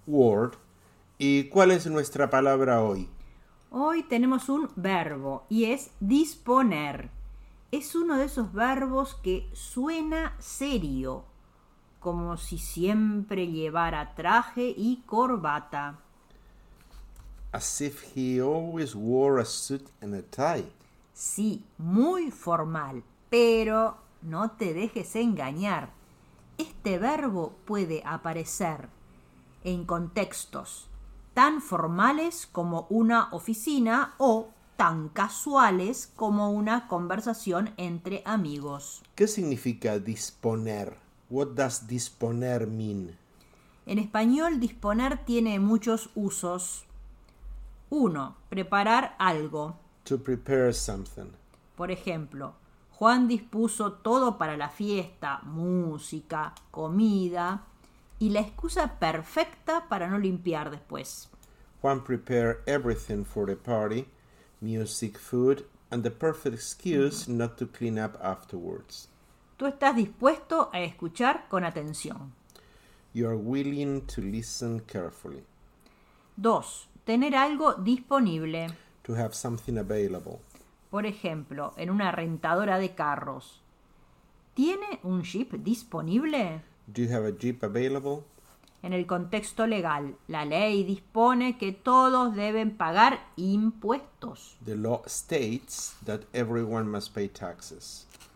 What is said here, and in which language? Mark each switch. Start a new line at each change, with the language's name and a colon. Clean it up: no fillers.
Spanish: Word. ¿Y cuál es nuestra palabra hoy? Hoy tenemos un verbo y es disponer. Es uno de esos verbos que suena serio, como si siempre llevara traje y corbata.
English: As if he always wore a suit and a tie.
Spanish: Sí, muy formal, pero no te dejes engañar. Este verbo puede aparecer en contextos tan formales como una oficina o tan casuales como una conversación entre amigos. ¿Qué significa disponer?
English: What does disponer mean?
Spanish: En español, disponer tiene muchos usos. Uno, preparar algo.
English: To prepare something.
Spanish: Por ejemplo, Juan dispuso todo para la fiesta, música, comida y la excusa perfecta para no limpiar después.
English: Juan prepared everything for the party, music, food, and the perfect excuse not to clean up afterwards.
Spanish: Tú estás dispuesto a escuchar con atención.
English: You are willing to listen carefully.
Spanish: Dos, tener algo disponible.
English: To have something available.
Spanish: Por ejemplo, en una rentadora de carros. ¿Tiene un Jeep disponible?
English: Do you have a Jeep available?
Spanish: En el contexto legal, la ley dispone que todos deben pagar impuestos.
English: The law states that everyone must pay taxes.